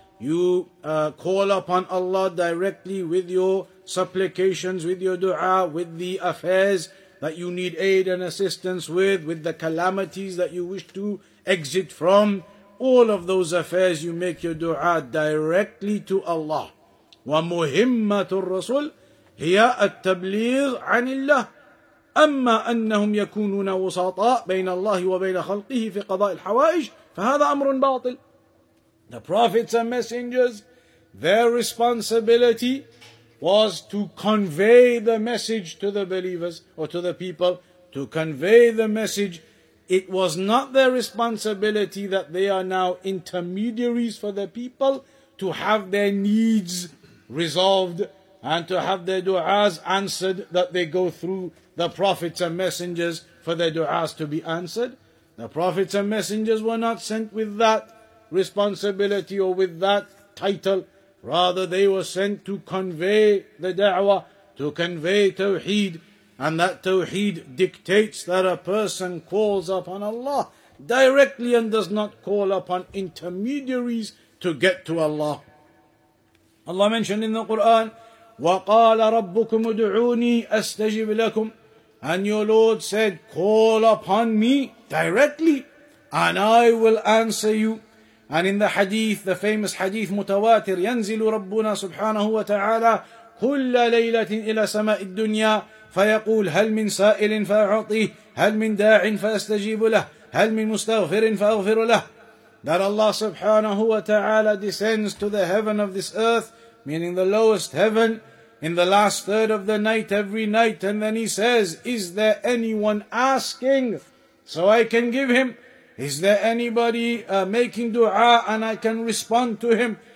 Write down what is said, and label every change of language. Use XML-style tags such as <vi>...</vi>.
<en>You call upon Allah directly with your supplications, with your dua, with the affairs that you need aid and assistance with the calamities that you wish to exit from. All of those affairs, you make your dua directly to Allah.</en> <ar>وَمُهِمَّةُ الرَّسُولِ هِيَا التَّبْلِيغُ عَنِ اللَّهِ أما أنهم يكونون وساطاء بين الله وبين خلقه في قضاء الحوائج فهذا أمر باطل.</ar> <en>The prophets and messengers, their responsibility was to convey the message to the believers or to the people, to convey the message. It was not their responsibility that they are now intermediaries for the people to have their needs resolved and to have their du'as answered, that they go through the prophets and messengers for their du'as to be answered. The prophets and messengers were not sent with that responsibility or with that title. Rather, they were sent to convey the da'wah, to convey tawheed. And that tawheed dictates that a person calls upon Allah directly and does not call upon intermediaries to get to Allah. Allah mentioned in the Quran,</en> <ar>وَقَالَ رَبُّكُمْ ادْعُونِي أَسْتَجِبْ لَكُمْ.</ar> <en>And your Lord said, call upon me directly and I will answer you. And in the hadith, the famous hadith, mutawatir,</en> <ar>ينزل ربنا سبحانه وتعالى كل ليلة إلى سماء الدنيا فيقول هل من سائل فأعطيه هل من داع فأستجيب له هل من مستغفر فأغفر له.</ar> <en>That Allah سبحانه وتعالى descends to the heaven of this earth, meaning the lowest heaven, in the last third of the night, every night. And then he says, is there anyone asking so I can give him? Is there anybody making dua and I can respond to him?</en>